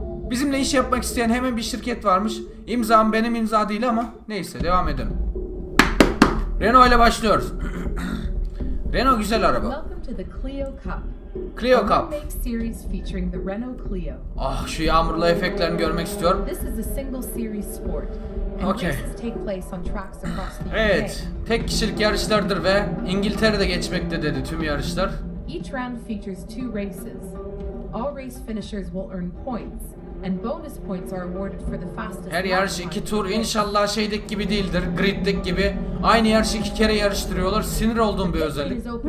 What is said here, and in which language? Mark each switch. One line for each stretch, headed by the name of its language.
Turkish: Bizimle iş yapmak isteyen hemen bir şirket varmış. İmzam benim imza değil ama neyse, devam edelim. Renault ile başlıyoruz. Renault güzel araba.
English: Welcome to the Clio Cup.
Turkish: Clio Cup.
English: Make series featuring the Renault Clio.
Turkish: Ah, şu yağmurlu efektlerini görmek istiyorum.
English: This is a single series sport.
Turkish: Okay.
English: Take place on tracks across the UK.
Turkish: Evet, tek kişilik yarışlardır ve İngiltere'de geçmekte dedi tüm yarışlar.
English: Each round features two races. All race finishers will earn points. And bonus points are awarded for the fastest.
Turkish: Her yarış iki tur, inşallah şeydeki gibi değildir, griddeki gibi. Aynı yarışı iki kere yarıştırıyorlar. Sinir olduğum bir özellik.